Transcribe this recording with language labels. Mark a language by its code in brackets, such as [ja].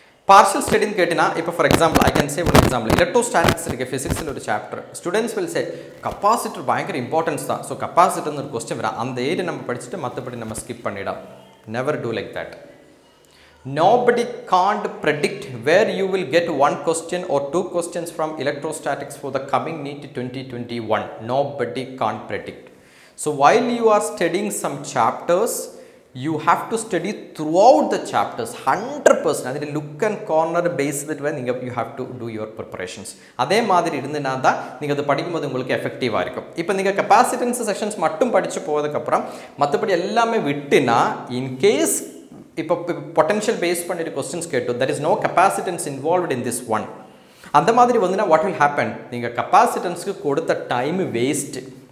[ta] Partial ஸ்டடின்னு கேட்டினா, இப்போ for example [en] I can say [ta] ஒரு example, electrostatics இருக்குது ஃபிசிக்ஸில் ஒரு chapter, [en] students will say [ta] capacitor பயங்கர இம்பார்ட்டன்ஸ் தான், ஸோ கப்பாசிட்டர்னு ஒரு க்வெஸ்சன் வரும், அந்த ஏரியா நம்ம படிச்சுட்டு மற்றபடி நம்ம ஸ்கிப் பண்ணிடலாம். [en] Never do like that. Nobody can't predict where you will get 1 question or 2 questions from electrostatics for the coming NEET 2021. Nobody can't predict. So while you are studying some chapters, you have to study throughout the chapters 100%. [ta] அதில் look and corner base தான் நீங்கள் [en] You have to do your preparations. [ta] அதே மாதிரி இருந்துனா தான் நீங்கள் அது படிக்கும்போது உங்களுக்கு எஃபெக்டிவாக இருக்கும். இப்போ நீங்கள் கெப்பாசிட்டன்ஸ் செஷன்ஸ் மட்டும் படித்து போவதுக்கப்புறம் மற்றபடி எல்லாமே விட்டுனா, இன்கேஸ் இப்போ பொட்டன்ஷியல் பேஸ் பண்ணிட்டு க்வெஸ்சன்ஸ் கேட்டோம், [en] that is no capacitance involved in this one, [ta] அந்த மாதிரி வந்துனா [en] what will happen, [ta] நீங்கள் கெப்பாசிட்டன்ஸ்க்கு கொடுத்த டைம் வேஸ்ட்டு.